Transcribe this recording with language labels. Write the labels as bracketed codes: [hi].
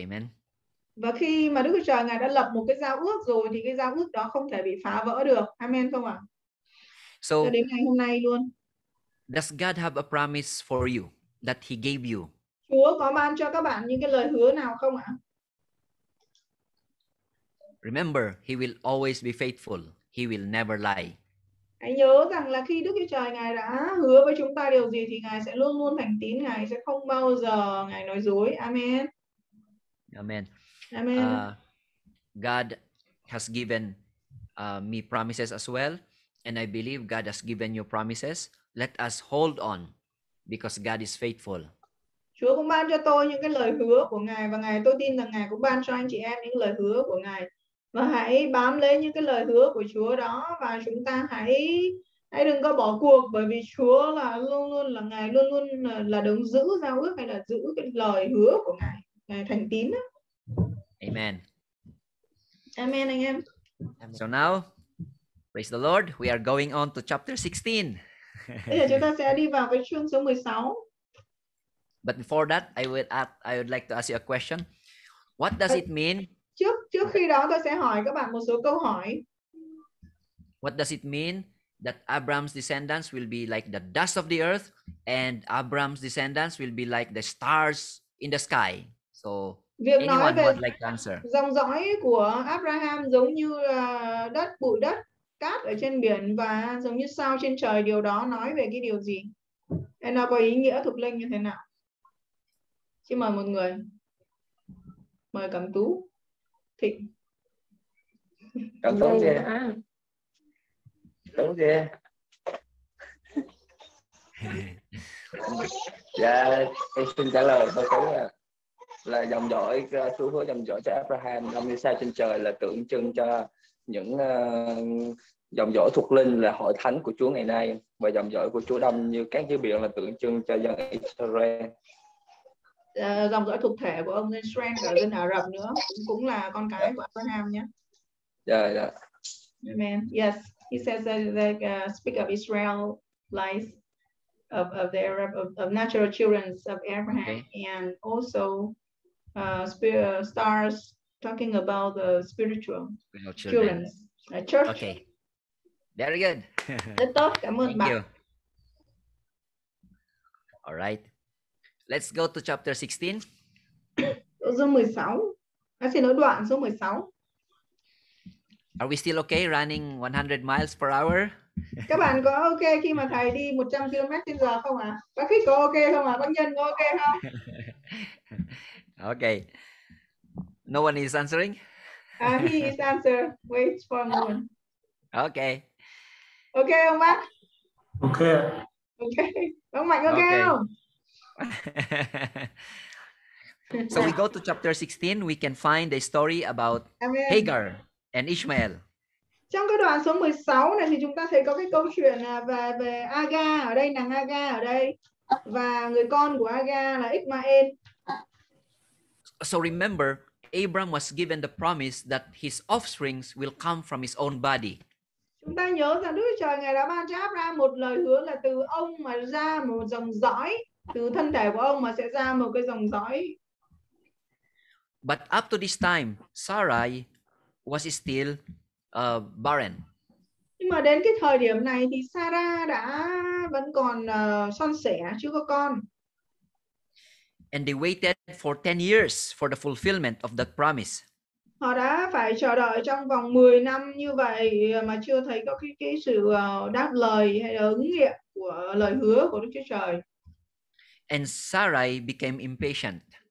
[en] Amen. [vi] Và khi mà Đức Chúa Trời Ngài đã lập một cái giao ước rồi thì cái giao ước đó không thể bị phá vỡ được. Amen không ạ? [en] So, [vi] cho đến ngày hôm nay luôn. [en] Does God have a promise for you that He gave you? [vi] Chúa có ban cho các bạn những cái lời hứa nào không ạ? [en] Remember, He will always be faithful. He will never lie. [vi] Hãy nhớ rằng là khi Đức Chúa Trời Ngài đã hứa với chúng ta điều gì thì Ngài sẽ luôn luôn thành tín, Ngài sẽ không bao giờ Ngài nói dối. [en] Amen. Amen. Amen. God has given me promises as well, and I believe God has given you promises. Let us hold on, because God is faithful. [vi] Chúa cũng ban cho tôi những cái lời hứa của Ngài, và Ngài tôi tin rằng Ngài cũng ban cho anh chị em những lời hứa của Ngài. Và hãy bám lấy những cái lời hứa của Chúa đó, và chúng ta hãy đừng có bỏ cuộc, bởi vì Chúa là luôn luôn là Ngài luôn luôn là đứng giữ giao ước hay là giữ cái lời hứa của Ngài, Ngài thành tín đó. [en] Amen. [vi] Amen anh em. [en] So now, praise the Lord, we are going on to chapter 16. [vi] Bây giờ chúng ta sẽ đi vào cái chương số 16. [en] But before that, I would like to ask you a question. What does it mean? [vi] Trước khi đó tôi sẽ hỏi các bạn một số câu hỏi. [en] What does it mean that Abraham's descendants will be like the dust of the earth, and Abraham's descendants will be like the stars in the sky? So [vi] việc [en] anyone [vi] nói về [en] would like to answer. [vi] Dòng dõi của Abraham giống như đất, bụi đất, cát ở trên biển và giống như sao trên trời, điều đó nói về cái điều gì? Hay nó có ý nghĩa thuộc linh như thế nào? Xin mời một người. Mời Cẩm Tú. Thịnh. Cẩm Tú gì? Tú gì? Dạ, em xin trả lời thôi Tú ạ. Là dòng dõi, chú hứa dòng dõi cho Abraham, ông như sao trên trời là tượng trưng cho những dòng dõi thuộc linh là hội thánh của Chúa ngày nay, và dòng dõi của Chúa đông như cát dưới biển là tượng trưng cho dân Israel. Dòng dõi thuộc thể của ông Israel là dân Ả Rập nữa, cũng là con cái của Abraham nhé. Dạ, yeah, dạ. [en] Yeah. Amen. Yes, he says that they speak of Israelites, of the Arab, of natural children of Abraham, okay. And also stars, talking about the spiritual children, church. Okay, very good. [vi] Tốt, cảm ơn [en] thank [vi] bạn. [en] You. All right, let's go to chapter 16. [vi] Số 16. Anh xin lỗi đoạn số 16. [en] Are we still okay running 100 miles per hour? [vi] Các bạn có okay khi mà thầy đi 100 km trên giờ không ạ? À? Bác Khích có okay không ạ? À? Bác Nhân có okay không? [en] Okay. No one is answering. He is answer. Wait for a moment. Okay. [vi] Okay, ông Mạnh. [en] Okay. [vi] Okay. Ông Mạnh okay không? [en] So we go to chapter 16. We can find a story about Amen. Hagar and Ishmael. [vi] Trong cái đoạn số 16 này thì chúng ta thấy có cái câu chuyện về Aga ở đây, nàng Aga ở đây và người con của Aga là Ishmael. [en] So remember, Abram was given the promise that his offsprings will come from his own body. [vi] Chúng ta nhớ rằng Đức Trời Ngài đã ban cho Abraham một lời hứa là từ ông mà ra một dòng dõi, từ thân thể của ông mà sẽ ra một cái dòng dõi. [en] But up to this time, Sarai was still barren. [vi] Nhưng mà đến cái thời điểm này thì Sarah đã vẫn còn son sẻ, chưa có con. [en] And they waited for 10 years for the fulfillment of that promise. [vi] Họ đã phải chờ đợi trong vòng 10 năm như vậy mà chưa thấy có cái sự đáp lời hay là ứng nghiệm của lời hứa của Đức Chúa Trời. [en] And Sarai became impatient.